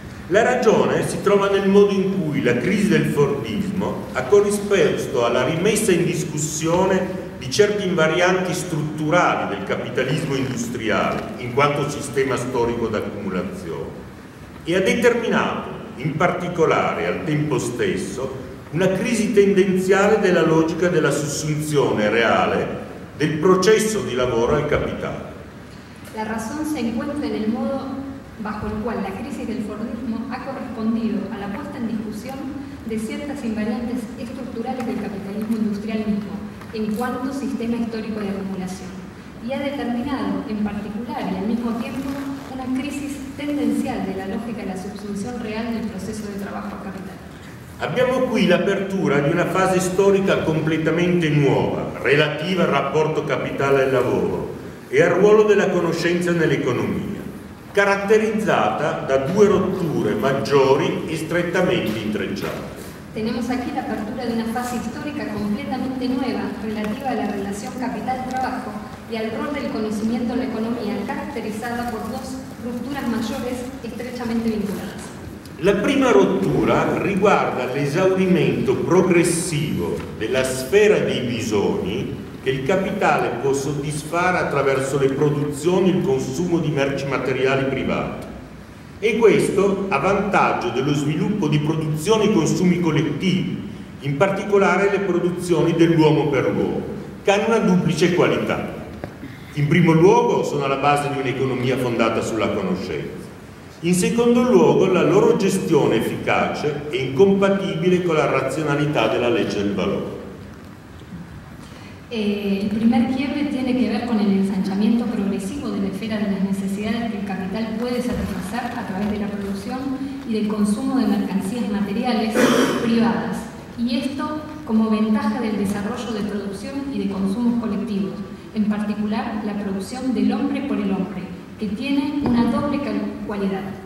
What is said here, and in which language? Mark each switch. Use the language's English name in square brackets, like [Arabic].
[Italian] La ragione si trova nel modo in cui la crisi del fordismo ha corrisposto alla rimessa in discussione di certi invarianti strutturali del capitalismo industriale in quanto sistema storico d'accumulazione e ha determinato, in particolare al tempo stesso, una crisi tendenziale della logica della sussunzione reale del processo di lavoro al capitale. [Spanish] La razón se encuentra en el modo bajo el cual la crisis del fordismo ha correspondido a la puesta en discusión de ciertas invariantes estructurales del capitalismo industrial mismo en cuanto sistema histórico de acumulación y ha determinado en particular y al mismo tiempo una crisis tendencial de la lógica de la subsunción real del proceso de trabajo al capital. [Italian] Abbiamo qui l'apertura di una fase storica completamente nuova, relativa al rapporto capitale-lavoro e al ruolo della conoscenza nell'economia, caratterizzata da due rotture maggiori e strettamente intrecciate. [Spanish] Tenemos aquí la apertura de una fase histórica completamente nueva, relativa a la relación capital-trabajo y al rol del conocimiento en la economía, caratterizzata por dos rupturas mayores estrechamente vinculadas. [Italian] La prima rottura riguarda l'esaurimento progressivo della sfera dei bisogni che il capitale può soddisfare attraverso le produzioni e il consumo di merci materiali privati. E questo a vantaggio dello sviluppo di produzioni e consumi collettivi, in particolare le produzioni dell'uomo per uomo, che hanno una duplice qualità. In primo luogo sono alla base di un'economia fondata sulla conoscenza. In secondo luogo, la loro gestione efficace è incompatibile con la razionalità della legge del valore. [Spanish] Il primer quiebre tiene que ver con el ensanchamiento progresivo de la esfera de las necesidades que el capital puede satisfacer a través de la producción y del consumo de mercancías materiales privadas. Y esto como ventaja del desarrollo de producción y de consumos colectivos, en particular la producción del hombre por el hombre, [Italian] che [Spanish] tiene una doble qualità.